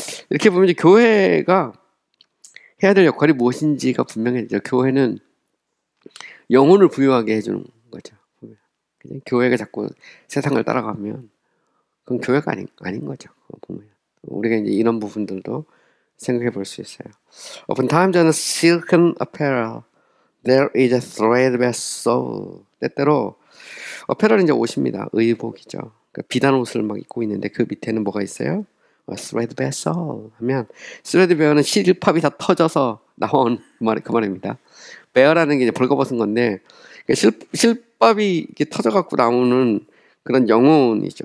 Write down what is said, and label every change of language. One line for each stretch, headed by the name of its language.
Korean: 이렇게 보면 이제 교회가 해야 될 역할이 무엇인지가 분명해지죠. 교회는 영혼을 부유하게 해주는 거죠. 교회가 자꾸 세상을 따라가면 그건 교회가 아닌 거죠. 보면. 우리가 이제 이런 부분들도 생각해 볼수 있어요.
English: Oftentimes on a silken apparel, there is a threadbare soul.
Korean: 때때로 어패럴은 이제 옷입니다. 의복이죠. 그러니까 비단 옷을 막 입고 있는데 그 밑에는 뭐가 있어요?
English: Threadbare soul
Korean: 하면 threadbare는 실파이 다 터져서 나온 그 말입니다. Bare라는 게 이제 벌거벗은 건데 그러니까 실파이 이렇게 터져갖고 나오는 그런 영혼이죠.